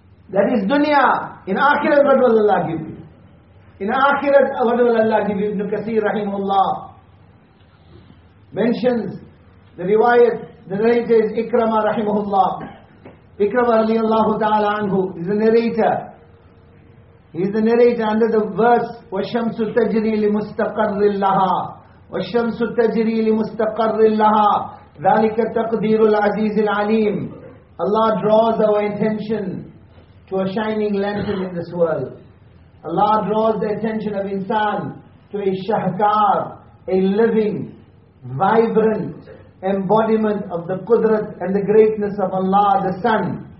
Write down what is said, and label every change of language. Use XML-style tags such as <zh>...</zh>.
<en>That is dunya. In akhirat, what will Allah give you? In akhirat, what will Allah give you? Ibn Kathir rahimullah mentions the riwayat, the narrator is Ikrama rahimahullah. Ikrama radiallahu ta'ala anhu is the narrator. He is the narrator under the verse,</en> <ar>وَالشَّمْسُ تَجْرِي لِمُسْتَقَرِّ اللَّهَا وَالشَّمْسُ تَجْرِي لِمُسْتَقَرِّ اللَّهَا ذَلِكَ تَقْدِيرُ الْعَزِيزِ الْعَلِيمِ.</ar> <en>Allah draws our attention to a shining lantern in this world. Allah draws the attention of insan to a shahkar, a living, vibrant embodiment of the qudrat and the greatness of Allah, the sun.</en>